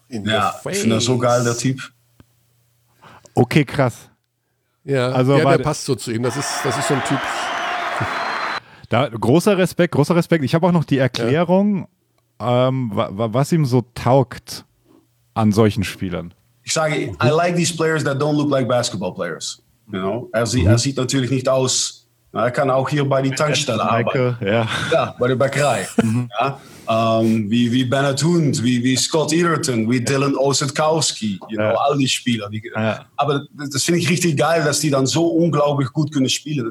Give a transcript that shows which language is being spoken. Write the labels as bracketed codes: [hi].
[de] In ja, ich finde er so geil, der Typ. Okay, krass. Ja, also, ja der passt so zu ihm. Das ist so ein Typ... Da, großer Respekt. Ich habe auch noch die Erklärung, ja. Was ihm so taugt an solchen Spielern. Ich sage, [en] I like these players that don't look like basketball players. You know? [de] Er sieht natürlich nicht aus, er kann auch hier bei die Tankstelle arbeiten. Ja. Ja, bei der Bäckerei. Ja? Wie Ben Atund, wie Scott Ederton, wie Dylan Ossetkowski, all die Spieler. Aber das finde ich richtig geil, dass die dann so unglaublich gut können spielen.